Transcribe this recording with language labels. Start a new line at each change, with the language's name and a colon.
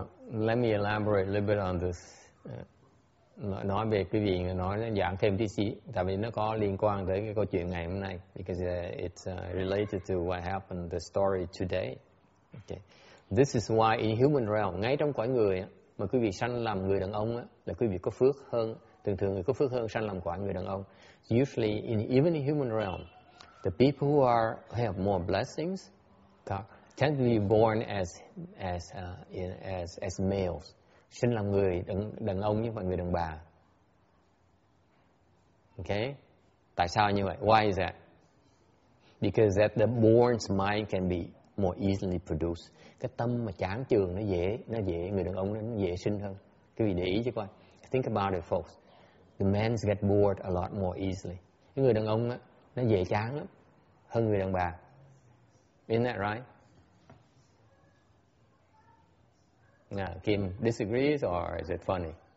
English: Let me elaborate a little bit on this.
Vietnamese: Nói về cái gì nói giảng thêm tí xí, tại vì nó có liên quan tới cái câu chuyện ngày hôm nay,
English: because it's related to what happened, the story today.
Vietnamese: Okay.
English: This is why in human realm,
Vietnamese: ngay trong cõi người mà quý vị sanh làm người đàn ông là quý vị có phước hơn, thường thường người có phước hơn sanh làm cõi người đàn ông.
English: Usually in even in human realm, the people who are have more blessings tend to be born as males.
Vietnamese: Sinh làm người đàn ông nhưng mà người đàn bà. Okay? Tại sao như vậy?
English: Why is that? Because that the born's mind can be more easily produced.
Vietnamese: Cái tâm mà chán trường nó dễ người đàn ông nó dễ sinh hơn. Quý vị để ý chứ coi.
English: Think about it folks. The men get bored a lot more easily.
Vietnamese: Cái người đàn ông á nó dễ chán lắm hơn người đàn bà.
English: Isn't that right? Kim disagrees or is it funny?